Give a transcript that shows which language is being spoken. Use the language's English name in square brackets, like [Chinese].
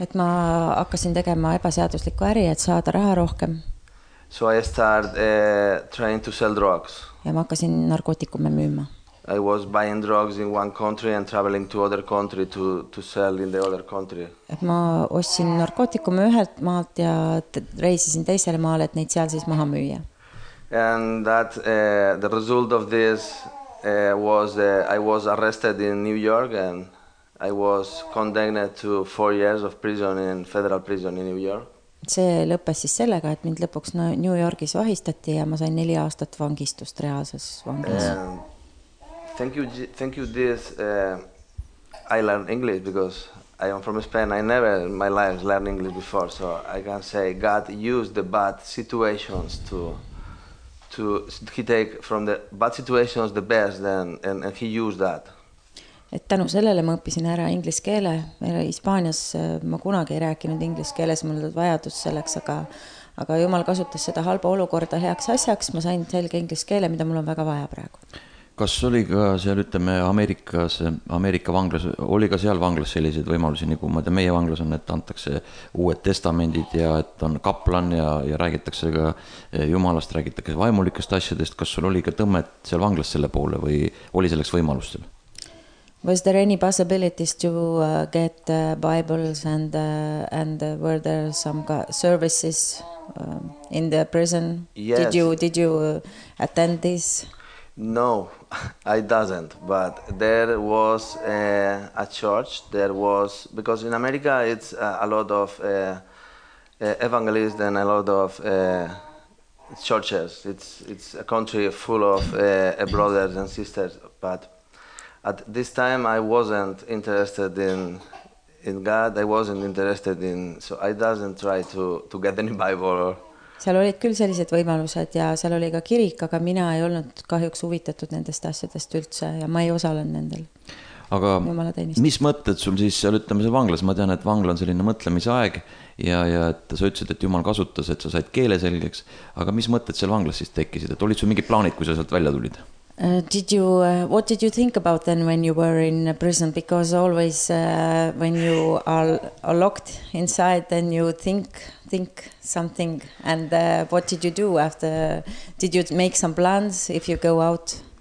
[Estonian] et ma hakkasin tegema ebaseaduslikku äri, et saada raha rohkem. [English] So I start trying to sell drugs. [Estonian] Ja ma hakkasin narkootikume müüma. [English] I was buying drugs in one country and traveling to other country to sell in the other country. [Estonian] Et ma ostsin narkootikume ühelt maalt ja reisisin teisele maale, et neid seal siis maha müüa. [English] And that the result of this was I was arrested in New York and I was condemned to 4 years of prison in federal prison in New York. [Estonian] See lõppes siis sellega, et mind lõpuks New Yorkis vahistati ja ma sain 4 aastat vangistust reaalses vangis. [English] Thank you this I learned English because I am from Spain. I never in my life learned English before, so I can say God used the bad situations to he take from the bad situations the best and he used that. [Estonian] Et tänu sellele ma õppisin ära ingliskeele. Hispaanias ma kunagi ei rääkinud ingliskeeles, mul on vajadus selleks, aga Jumal kasutas seda halba olukorda heaks asjaks. Ma sain selge ingliskeele, mida mul on väga vaja praegu. Kas oli ka seal, ütleme, Ameerika vanglas, oli ka seal vanglas sellised võimalusi, nagu ma tean, meie vanglas on, et antakse uued testamendid ja et on kaplan ja räägitakse ka Jumalast, räägitakse vaimulikest asjadest. Kas sul oli ka tõmmet seal vanglas selle poole või oli selleks võimalustel? [English] Was there any possibilities to get Bibles and were there some services in the prison? Yes. Did you attend this? No, I doesn't. But there was a church. There was because in America it's a lot of evangelists and a lot of churches. It's a country full of brothers and sisters. But at this time I wasn't interested in God. I wasn't interested in. So I doesn't try to get any Bible. [Estonian] Seal olid küll sellised võimalused ja seal oli ka kirik, aga mina ei olnud kahjuks huvitatud nendest asjadest üldse ja ma ei osalen nendel. Aga mis mõtted sul siis seal ütleme see vanglas? Ma tean, et vangla on selline mõtlemisaeg ja et sa ütlesid, et Jumal kasutas, et sa said keele selgeks. Aga mis mõtted seal vanglas siis tekisid? Et olid sul mingid plaanid, kui sa sealt välja tulid? [English] What did you think about then when you were in prison? Because always when you are locked inside, then you think something. And what did you do after? Did you make some plans if you go out?